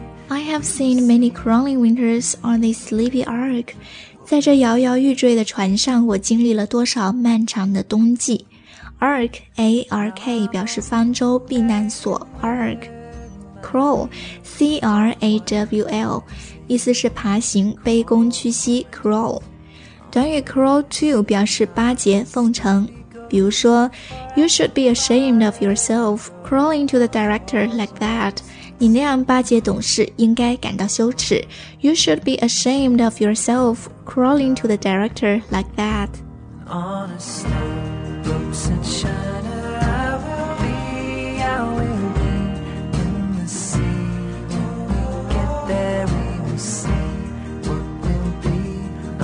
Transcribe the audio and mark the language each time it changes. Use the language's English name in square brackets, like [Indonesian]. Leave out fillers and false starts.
[English] I have seen many crawling winters on this sleepy ark. [Chinese] 在这摇摇欲坠的船上，我经历了多少漫长的冬季。 Ark, A-R-K, 表示方舟、避难所。 Ark, crawl, C-R-A-W-L, 意思是爬行、卑躬屈膝。 Crawl, 短语 crawl to 表示巴结、奉承。比如说 [English] ,You should be ashamed of yourself, crawling to the director like that. [Chinese] 你那样巴结董事应该感到羞耻。 [English] You should be ashamed of yourself, crawling to the director like that. On a snow boat in China, I will be in the sea. When we get there, we will see what will be.